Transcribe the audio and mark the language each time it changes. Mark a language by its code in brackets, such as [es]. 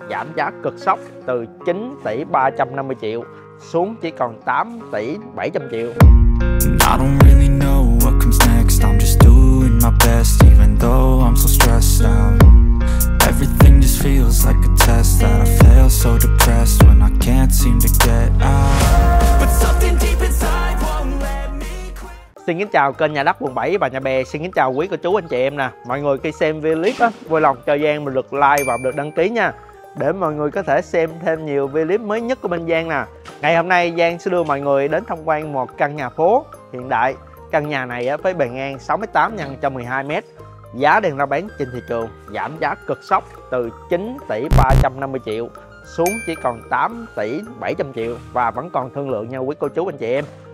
[vi] giảm giá cực sốc từ 9 tỷ 350 triệu xuống chỉ còn 8 tỷ 700 triệu. [en] I don't really know what comes next. I'm just doing my best even though I'm so stressed out. Everything just feels like a test that I fail so depressed when I can't seem to get out. But something deep inside won't let me quit. [vi] Xin kính chào kênh Nhà Đất Quận 7 và Nhà Bè. Xin kính chào quý cô chú anh chị em nè. Mọi người khi xem video clip á, vui lòng cho Giang một lượt like và một lượt đăng ký nha, để mọi người có thể xem thêm nhiều video clip mới nhất của bên Giang nè. Ngày hôm nay Giang sẽ đưa mọi người đến tham quan một căn nhà phố hiện đại. Căn nhà này á, với bề ngang 68 x 112 m, giá đang ra bán trên thị trường giảm giá cực sốc từ 9 tỷ 350 triệu xuống chỉ còn 8 tỷ 700 triệu và vẫn còn thương lượng nha quý cô chú anh chị em.